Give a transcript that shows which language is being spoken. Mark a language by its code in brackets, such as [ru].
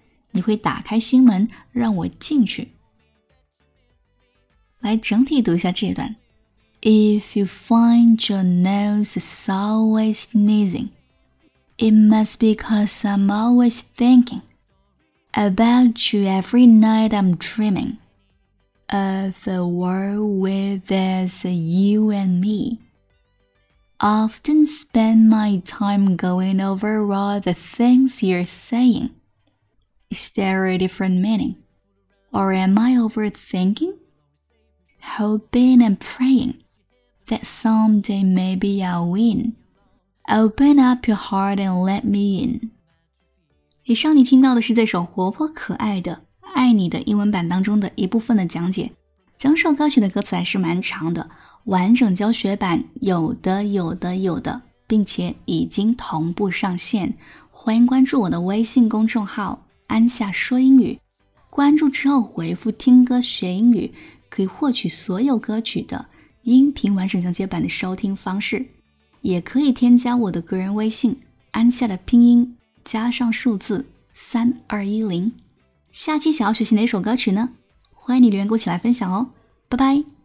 [zh] 你会打开心门让我进去。来整体读一下这一段。 [en] If you find your nose is always sneezing, it must be because I'm always thinking about you every night I'm dreaming of a world where there's a you and me. Often spend my time going over all the things you're saying. Is there a different meaning? Or am I overthinking? Hoping and praying that someday maybe I'll win. Open up your heart and let me in. [zh] 以上你听到的是这首活泼可爱的《爱你》的英文版当中的一部分的讲解。整首歌曲的歌词还是蛮长的。完整教学版有的有的有的并且已经同步上线欢迎关注我的微信公众号安夏说英语关注之后回复听歌学英语可以获取所有歌曲的音频完整讲解版的收听方式也可以添加我的个人微信安夏的拼音加上数字3210下期想要学习哪首歌曲呢欢迎你留言过起来分享哦拜拜